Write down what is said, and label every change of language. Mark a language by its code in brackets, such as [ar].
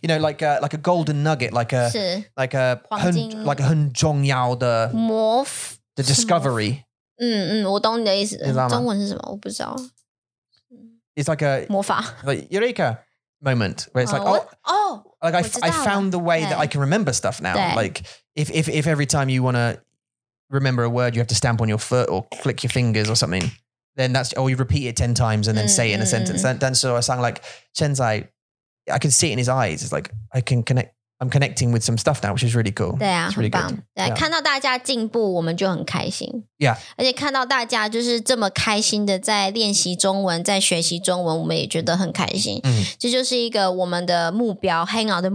[en] You know, like a golden nugget, like a [zh] 黄 [en] 金 like a [zh] 很重要的 [en] the discovery. [zh] 我懂你的意思。中文是什么？我不知道。 [en] It's like a [zh] 魔法。 [en] Like, Eureka, moment where it's like, I found the way that I can remember stuff now. Like if every time you want to remember a word, you have to stamp on your foot or click your fingers or something, then that's, or you repeat it 10 times and then say it in a sentence. Then so I sound like Chenzai, I can see it in his eyes. It's like, I can connect. I'm connecting with some stuff now, which is really cool. [zh] 对啊，很棒。对，看到大家进步，我们就很开心。 [en] Yeah， [zh] 而且看到大家就是这么开心的在练习中文，在学习中文，我们也觉得很开心。嗯，这就是一个我们的目标，Hang